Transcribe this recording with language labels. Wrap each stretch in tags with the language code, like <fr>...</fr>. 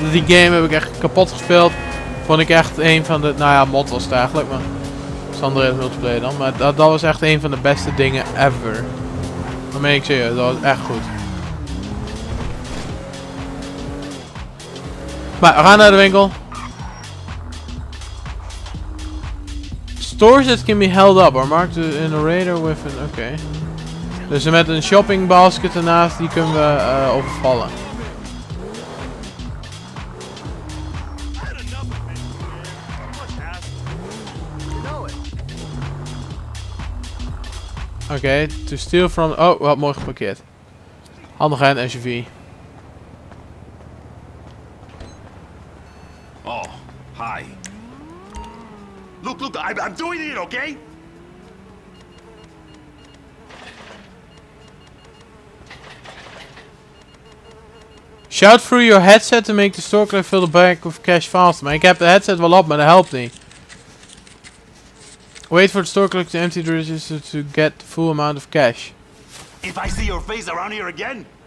<nl>Die game heb ik echt kapot gespeeld. Vond ik echt een van de... Nou ja, mod was het eigenlijk. Maar San Andreas multiplayer dan. Maar dat was echt een van de beste dingen ever. Dat meen ik serieus. Dat was echt goed. Maar we gaan naar de winkel.</nl> <en>Stores that can be held up are marked in a radar with an...</en> <nl>Oké. Okay. Dus met een shopping basket ernaast, die kunnen we overvallen. Oké, okay,</nl> <en>to steal from...</en> <nl>Oh, wat mooi geparkeerd. Handig aan SUV.</nl> <en>Oh, hi. Look, I'm doing it, okay? Shout through your headset to make the store clerk fill the bank with cash faster.</en> <nl>Maar ik heb de headset wel op, maar dat helpt niet.</nl> <en>Wait for the store clerk to empty the register to get the full amount of cash. If I see your face around here again.</en>